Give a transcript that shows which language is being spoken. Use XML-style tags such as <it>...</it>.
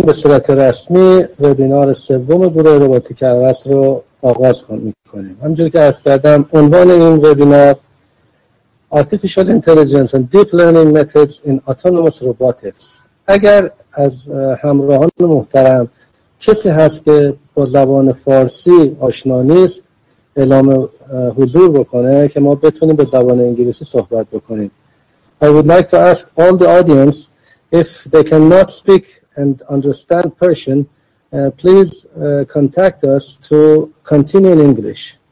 <fa>به صورت رسمی وبینار سوم گروه روباتیک ARAS رو آغاز می‌کنیم. همونجوری که عرض کردم عنوان این وبینار</fa> <en>Artificial Intelligence and Deep Learning Methods in Autonomous Robotics.</en> <fa>اگر از همراهان محترم کسی هست که با زبان فارسی آشنا نیست اعلام حضور بکنه که ما بتونیم به زبان انگلیسی صحبت بکنیم.</fa> <en>I would like to ask all the audience, if they cannot speak and understand Persian, please contact us to continue in English.</en>